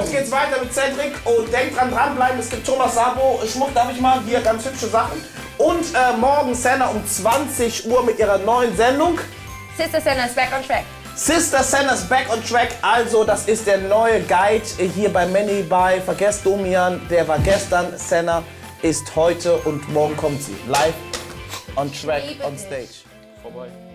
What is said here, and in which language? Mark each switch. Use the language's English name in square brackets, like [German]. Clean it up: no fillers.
[German] Jetzt geht's weiter mit Cedric. Und denk dran, dranbleiben. Es gibt Thomas Sabo. Schmuck, darf ich mal? Hier ganz hübsche Sachen. Und morgen Senna um 20 Uhr mit ihrer neuen Sendung. [English] Sister Senna is back on track. Sister Senna is back on track. [German] Also, das ist der neue Guide hier bei Manny Bai. Vergesst Domian, der war gestern. Senna ist heute und morgen kommt sie. [English] Live. On track, on stage. [German] Vorbei.